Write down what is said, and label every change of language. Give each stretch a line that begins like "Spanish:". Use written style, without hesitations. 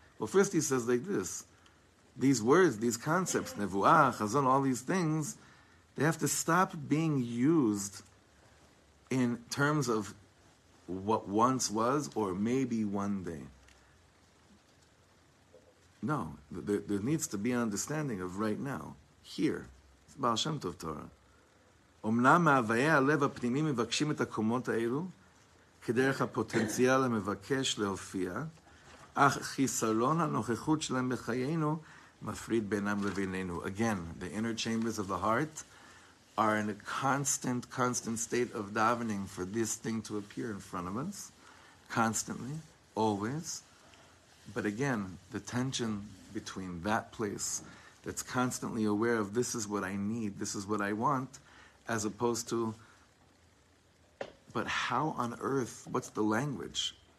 English: Well, first he says like this, these words, these concepts, nevuah, chazon, all these things, they have to stop being used in terms of what once was or maybe one day. No, there needs to be an understanding of right now, here. It's Baal Shem Tov Torah.
Hebrew: אמנם מהוויי הלב הפנימי מבקשים את הקומות האלו כדרך הפוטנציאל המבקש להופיע, אך חיסלון הנוכחות שלהם בחיינו מפריד בינם לבינינו.
English: Again, the inner chambers of the heart are in a constant, constant state of davening for this thing to appear in front of us, constantly, always. But again, the tension between that place that's constantly aware of this is what I need, this is what I want, as opposed to, but how on earth, what's the language?